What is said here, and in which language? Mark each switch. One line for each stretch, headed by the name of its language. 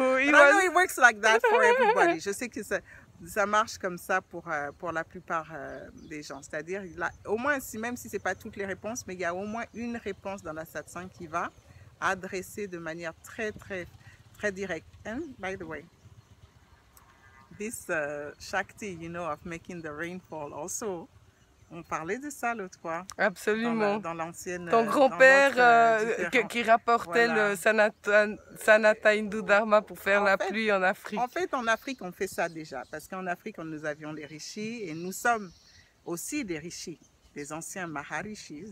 English: But I know it works like that for everybody.
French: Je sais que ça marche comme ça pour la plupart des gens. C'est-à-dire, au moins, si, même si ce n'est pas toutes les réponses, mais il y a au moins une réponse dans la satsang qui va adresser de manière très, très, très directe.
English: And by the way, this Shakti, you know, of making the rainfall also.
French: On parlait de ça l'autre fois. Absolument. Dans l'ancienne. Ton grand-père qui rapportait voilà. Le Sanata Hindu Dharma pour faire en la fait, pluie en Afrique. En fait, en Afrique, on fait ça déjà. Parce qu'en Afrique, nous avions les rishis et nous sommes aussi des rishis, des anciens maharishis.